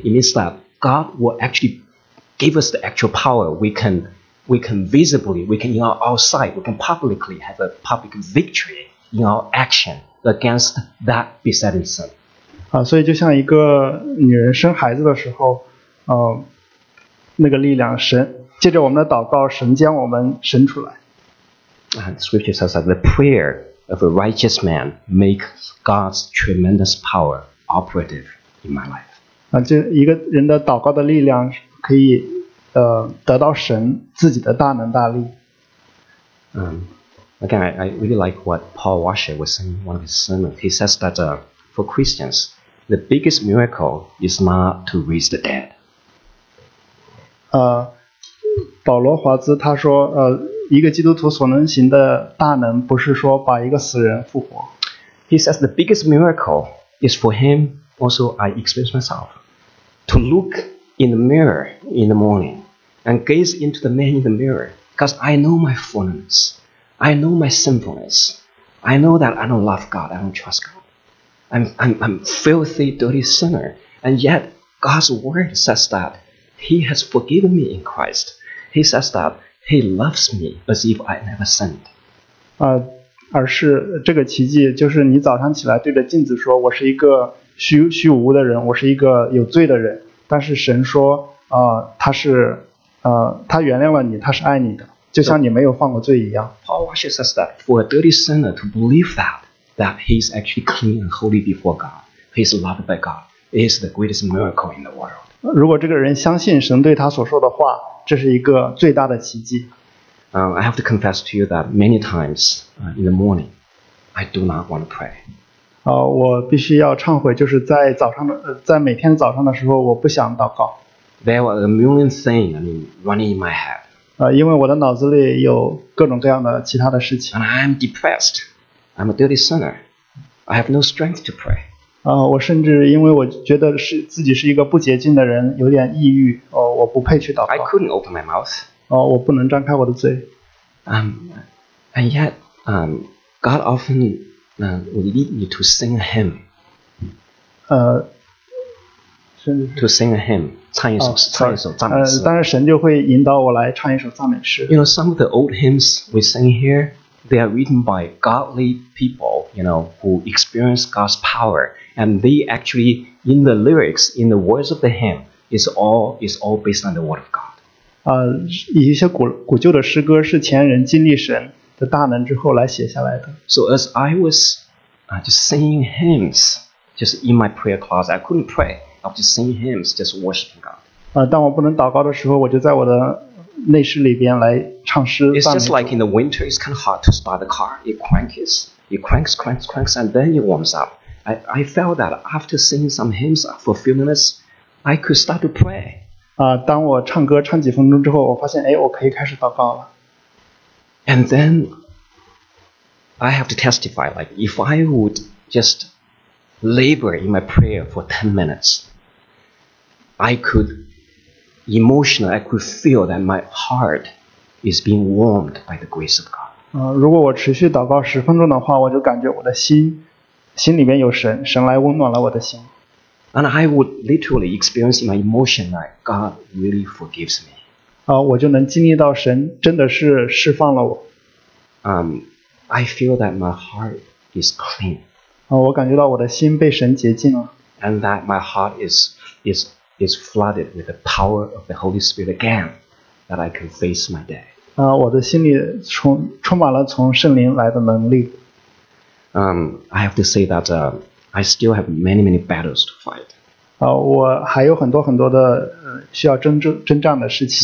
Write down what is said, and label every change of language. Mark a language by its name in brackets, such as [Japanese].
[English] It means that God will actually give us the actual power. We can publicly have a public victory in our action against that besetting sin. [Chinese] 所以就像一个女人生孩子的时候，那个力量，神借着我们的祷告，神将我们生出来。 [English] Scripture says that the prayer of a righteous man makes God's tremendous power operative in my life. [Chinese] 就一个人的祷告的力量可以得到神自己的大能大力。 [English] Again, I really like what Paul Washer was saying in one of his sermons. He says that for Christians, the biggest miracle is not to raise the dead. [Chinese] 保罗华兹他说，一个基督徒所能行的大能不是说把一个死人复活。 [English] He says the biggest miracle is for him, also I experience myself, to look in the mirror in the morning. And gaze into the man in the mirror, because I know my fallenness, I know my sinfulness, I know that I don't love God, I don't trust God, I'm filthy, dirty sinner, and yet God's word says that He has forgiven me in Christ. He says that He loves me as if I never sinned. [Chinese] 而是这个奇迹，就是你早上起来对着镜子说，我是一个虚无的人，我是一个有罪的人，但是神说，他是。他原谅了你，他是爱你的，就像你没有犯过罪一样。 [English] Paul Washer says that for a dirty sinner to believe that he's actually clean and holy before God, he's loved by God, is the greatest miracle in the world. [Chinese] 如果这个人相信神对他所说的话，这是一个最大的奇迹。 [English] I have to confess to you that many times in the morning, I do not want to pray. [Chinese] 我必须要忏悔，就是在早上的，在每天早上的时候，我不想祷告。 [English] There were a million things, running in my head. [Chinese] 因为我的脑子里有各种各样的其他的事情。 [English] And I'm depressed. I'm a dirty sinner. I have no strength to pray. [Chinese] 我甚至因为我觉得是自己是一个不洁净的人，有点抑郁。我不配去祷告。 [English] I couldn't open my mouth. [Chinese] 我不能张开我的嘴。 [English] And yet, God often would lead me to sing a hymn. To sing a hymn, [Chinese] 唱一首赞美诗。但是神就会引导我来唱一首赞美诗。 [English] You know, some of the old hymns we sing here, they are written by godly people, who experience God's power, and they actually, in the lyrics, in the words of the hymn, is all based on the word of God. [Chinese] 一些古旧的诗歌是前人经历神的大能之后来写下来的。 [English] So as I was just singing hymns, just in my prayer closet, I couldn't pray. Of just singing hymns, just worshiping God. [Chinese] 当我不能祷告的时候，我就在我的内室里边来唱诗。 [English] It's just like in the winter, it's kind of hard to start the car. It cranks, and then it warms up. I felt that after singing some hymns for a few minutes, I could start to pray. [Chinese] 当我唱歌唱几分钟之后，我发现，我可以开始祷告了。 [English] And then I have to testify, like if I would just labor in my prayer for 10 minutes. I could feel that my heart is being warmed by the grace of God. [Chinese] 如果我持续祷告十分钟的话，我就感觉我的心里面有神，神来温暖了我的心。 [English] And I would literally experience my emotion that God really forgives me. [Chinese] 我就能经历到神真的是释放了我。 [English] I feel that my heart is clean. [Chinese] 我感觉到我的心被神洁净了。 [English] And that my heart is flooded with the power of the Holy Spirit again, that I can face my day. [Chinese] 我的心里充满了从圣灵来的能力。 [English] I have to say that I still have many, many battles to fight. [Chinese] 我还有很多很多的需要征战的事情。